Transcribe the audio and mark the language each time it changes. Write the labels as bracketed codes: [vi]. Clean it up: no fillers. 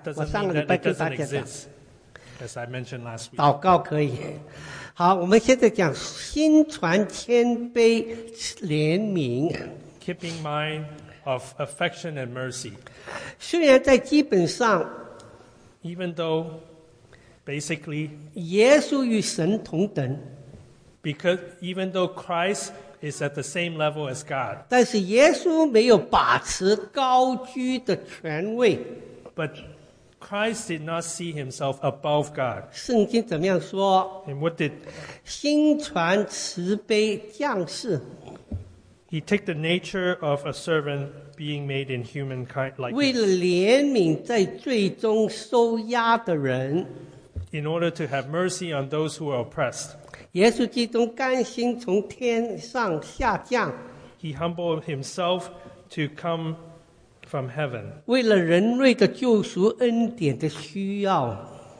[en] That doesn't mean that it doesn't exist, as I mentioned last week. [zh] 祷告可以。好, 我们现在讲心存谦卑怜悯。 [en] Keeping mind of affection and mercy. [zh] 虽然在基本上, [en] even though, basically, [zh] 耶稣与神同等, [en] because even though Christ is at the same level as God, [zh] 但是耶稣没有把持高居的权位, [en] but Christ did not see himself above God. [zh] 圣经怎么样说? [en] And what did? [zh] 心存慈悲将士, [en] he took the nature of a servant being made in humankind like this. [zh] 为了怜悯在罪中受压的人, [en] in order to have mercy on those who are oppressed. [zh] 耶稣基督甘心从天上下降, [en] he humbled himself to come from heaven. [zh] 为了人类的救赎恩典的需要,